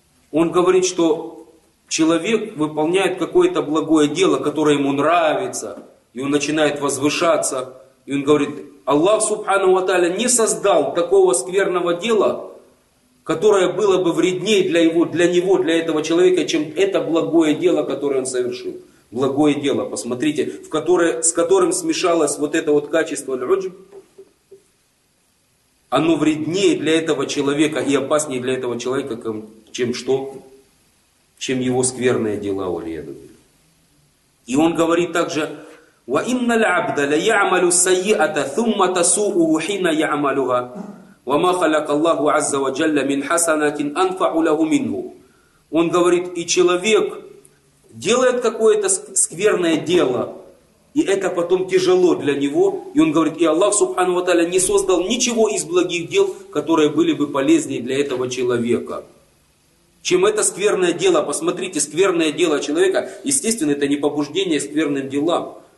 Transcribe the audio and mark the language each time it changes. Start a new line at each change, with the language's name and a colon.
Russian: Он говорит, что человек выполняет какое-то благое дело, которое ему нравится, и он начинает возвышаться, и он говорит: "Аллах субханаху ва тааля не создал такого скверного дела, которое было бы вреднее для него, для этого человека, чем это благое дело, которое он совершил. Благое дело, посмотрите, с которым смешалось вот это вот качество аль-уджб. Оно вреднее для этого человека и опаснее для этого человека, чем что? Чем его скверные дела, валиядубиль. И он говорит также,
Arabic: وَإِنَّ الْعَبْدَ لَيَعْمَلُ السَّيِّئَةَ ثُمَّ تَسُوءُهُ حِنَ يَعْمَلُهَا وَمَا خَلَقَ اللَّهُ عَزَّ وَجَلَّ مِنْ حَسَنَةٍ أَنْفَعُ لَهُ مِنْهُ.
Russian: Он говорит, и человек делает какое-то скверное дело, и это потом тяжело для него. И он говорит, и Аллах Субхану ва Тааля не создал ничего из благих дел, которые были бы полезнее для этого человека. Чем это скверное дело, посмотрите, скверное дело человека, естественно, это не побуждение скверным делам.